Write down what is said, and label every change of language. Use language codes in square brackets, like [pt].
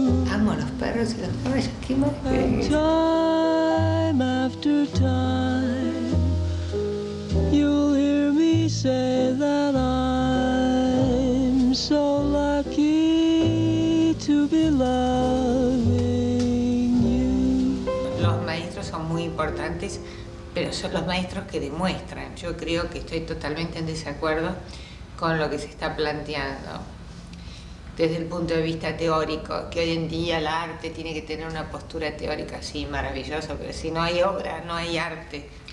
[es] Amo los perros y los caballos, ¿qué más quieres? [en] Time after time, you'll hear me say that I'm so lucky to be loving you. [es] Los maestros son muy importantes, pero son los maestros que demuestran. Yo creo que estoy totalmente en desacuerdo con lo que se está planteando desde el punto de vista teórico, que hoy en día el arte tiene que tener una postura teórica, sí, maravilloso, pero si no hay obra, no hay arte.